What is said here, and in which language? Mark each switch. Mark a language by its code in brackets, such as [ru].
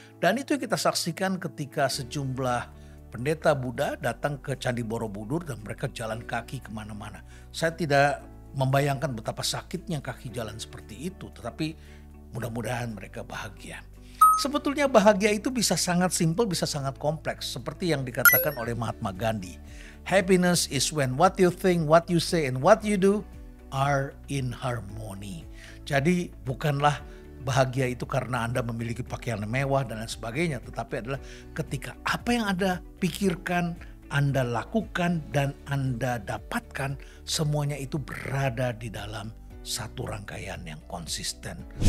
[id] Dan itu yang kita saksikan ketika sejumlah pendeta Buddha datang ke Candi Borobudur dan mereka jalan kaki kemana-mana. Saya tidak membayangkan betapa sakitnya kaki jalan seperti itu, tetapi mudah-mudahan mereka bahagia. Sebetulnya bahagia itu bisa sangat simpel, bisa sangat kompleks. Seperti yang dikatakan oleh Mahatma Gandhi. [en] Happiness is when what you think, what you say, and what you do are in harmony. [id] Jadi bukanlah bahagia itu karena Anda memiliki pakaian mewah dan lain sebagainya. Tetapi adalah ketika apa yang Anda pikirkan, Anda lakukan, dan Anda dapatkan, semuanya itu berada di dalam satu rangkaian yang konsisten.